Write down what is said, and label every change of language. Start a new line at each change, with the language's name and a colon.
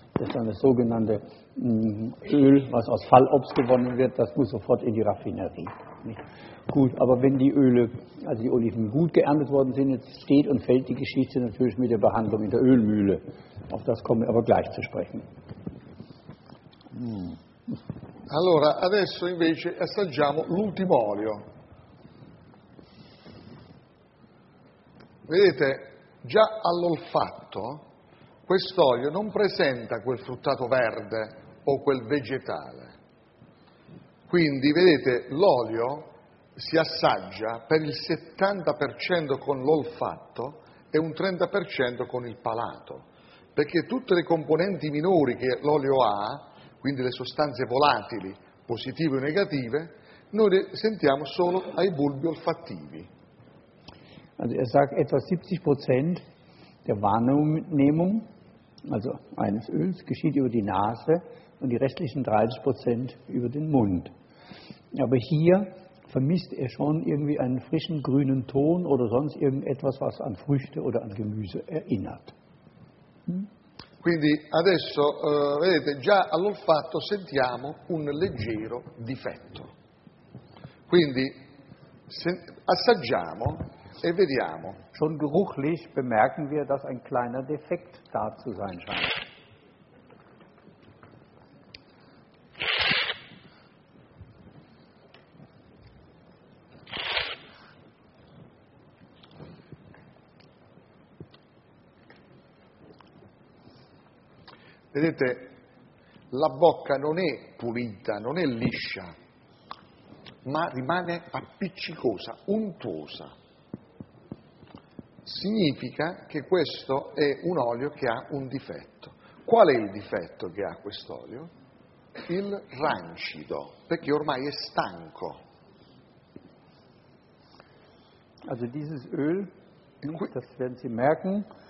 German: Das ist dann das sogenannte Öl, was aus Fallobst gewonnen wird, das muss sofort in die Raffinerie. Nicht? Gut, aber wenn die Öle, also die Oliven gut geerntet worden sind, jetzt steht und fällt die Geschichte natürlich mit der Behandlung in der Ölmühle. Auf das kommen wir aber gleich zu sprechen.
Italian: Allora, adesso invece assaggiamo l'ultimo olio. Vedete, già all'olfatto quest'olio non presenta quel fruttato verde o quel vegetale. Quindi, vedete, l'olio si assaggia per il 70% con l'olfatto e un 30% con il palato, perché tutte le componenti minori che l'olio ha, quindi le sostanze volatili, positive o negative, noi le sentiamo solo ai bulbi olfattivi.
German: Also er sagt, etwa 70% der Wahrnehmung, also eines Öls, geschieht über die Nase und die restlichen 30% über den Mund. Aber hier vermisst er schon irgendwie einen frischen grünen Ton oder sonst irgendetwas, was an Früchte oder an Gemüse erinnert.
Italian: Quindi adesso, vedete, già all'olfatto sentiamo un leggero difetto. Quindi assaggiamo e vediamo.
German: Schon geruchlich bemerken wir, dass ein kleiner Defekt da zu sein scheint.
Italian: Vedete, la bocca non è pulita, non è liscia, ma rimane appiccicosa, untuosa. Significa che questo è un olio che ha un difetto. Qual è il difetto che ha quest'olio? Il rancido, perché ormai è stanco.
German: Also dieses Öl, das werden Sie merken.